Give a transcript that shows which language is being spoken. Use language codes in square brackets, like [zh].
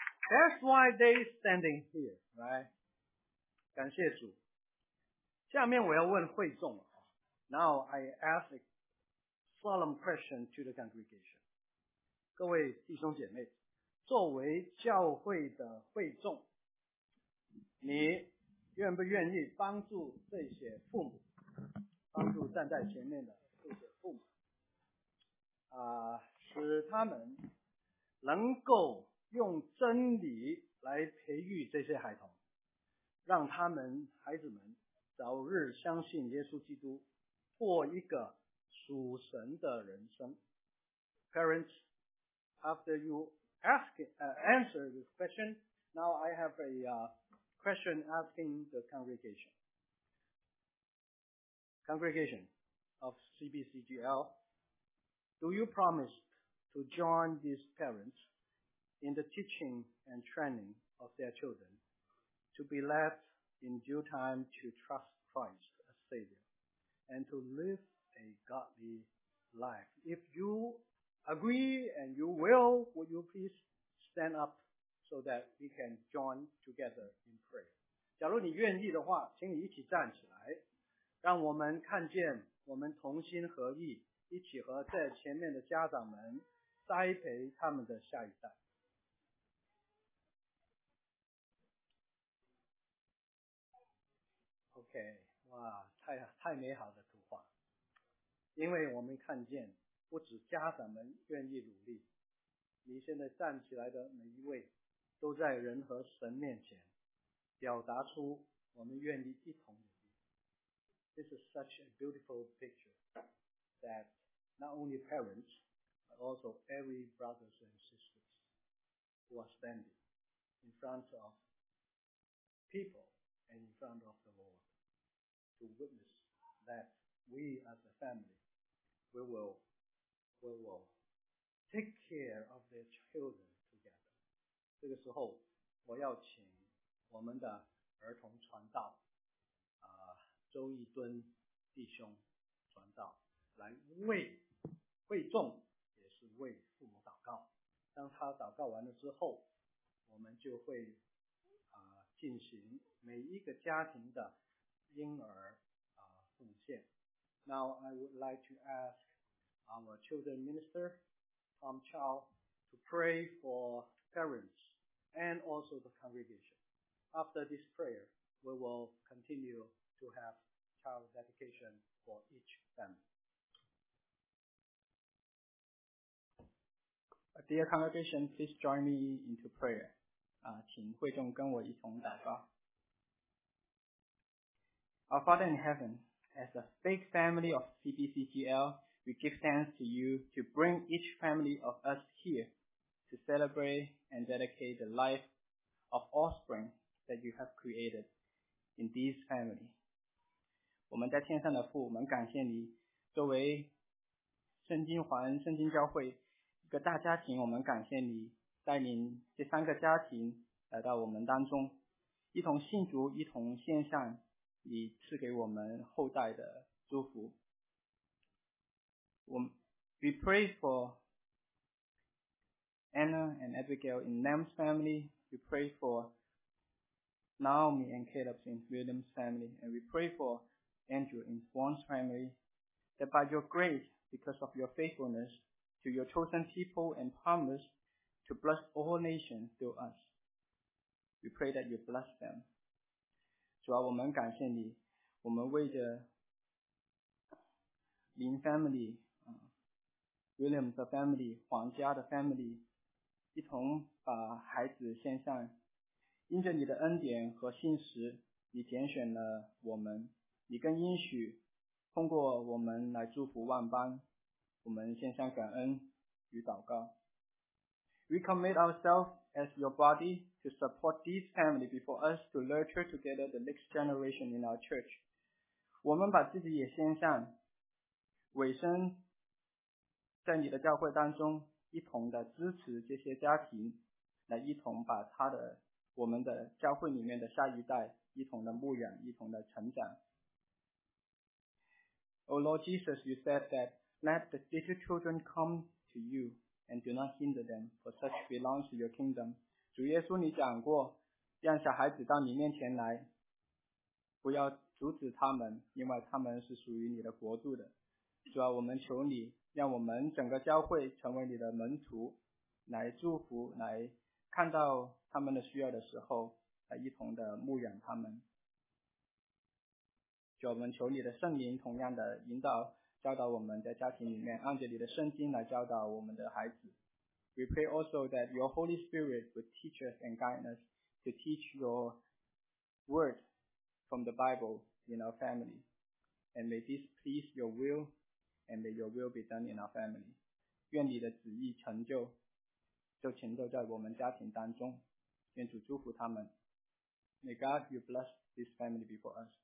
[en] That's why they're standing here, right? [zh] 感谢主。下面我要问会众。 [en] Now I ask a solemn question to the congregation. [zh] 各位弟兄姐妹，作为教会的会众，你愿不愿意帮助这些父母，帮助站在前面的这些父母，使他们能够用真理来培育这些孩童，让他们孩子们早日相信耶稣基督，过一个属神的人生。 [en] Parents, after you answer this question, now I have a question asking the congregation. Congregation of CBCGL, do you promise to join these parents in the teaching and training of their children to be led in due time to trust Christ as Savior and to live a godly life? If you agree and you will you please stand up so that we can join together in prayer? [zh] 假如你愿意的话，请你一起站起来，让我们看见我们同心合意，一起和在前面的家长们栽培他们的下一代。 OK， 哇，太美好的图画，因为我们看见不止家长们愿意努力，你现在站起来的每一位都在人和神面前表达出我们愿意一同努力。 [en] This is such a beautiful picture that not only parents but also every brothers and sisters who are standing in front of people and in front of the Lord to witness that we as a family we will take care of their children together. [zh] 这个时候我要请我们的儿童传道周一敦弟兄传道来为会众也是为父母祷告。当他祷告完了之后，我们就会进行每一个家庭的婴儿奉献。 [en] Now I would like to ask our children minister, Tom Chow, to pray for parents and also the congregation. After this prayer, we will continue to have child dedication for each family. Dear congregation, please join me into prayer. [zh] 请会众跟我一同祷告。 [en] Our Father in Heaven, as a big family of CBCGL, we give thanks to you to bring each family of us here to celebrate and dedicate the life of offspring that you have created in this family. [zh] 我们在天上的父，我们感谢你作为圣经环圣经教会一个大家庭，我们感谢你带领这三个家庭来到我们当中，一同信主，一同献上你赐给我们后代的祝福。 [en] We pray for Anna and Abigail in Nam's family. We pray for Naomi and Caleb in William's family. And we pray for Andrew in Juan's family, that by your grace, because of your faithfulness to your chosen people and promise to bless all nations through us, we pray that you bless them. [zh] 主啊，我们感谢你，我们为着 [en] Lin family, William's family, [zh] 黄家的 family, 一同把孩子献上。因着你的恩典和信实，你拣选了我们，你更应许通过我们来祝福万邦。我们献上感恩与祷告。 [en] We commit ourselves as your body to support this family before us to nurture together the next generation in our church. [zh] 我们把自己也献上，委身在你的教会当中，一同的支持这些家庭，来一同把他的我们的教会里面的下一代一同的牧养，一同的成长。 [en] O Lord Jesus, you said that let the little children come to you and do not hinder them, for such belongs to your kingdom. [zh] 主耶稣你讲过，让小孩子到你面前来，不要阻止他们，因为他们是属于你的国度的。主啊，我们求你让我们整个教会成为你的门徒，来祝福，来看到他们的需要的时候，来一同的牧养他们。主，我们求你的圣灵同样的引导教导我们，在家庭里面按着你的圣经来教导我们的孩子。 [en] We pray also that your Holy Spirit would teach us and guide us to teach your word from the Bible in our family, and may this please your will, and may your will be done in our family. [zh] 愿你的旨意成就，就成就在我们家庭当中。愿主祝福他们。 [en] May God you bless this family before us.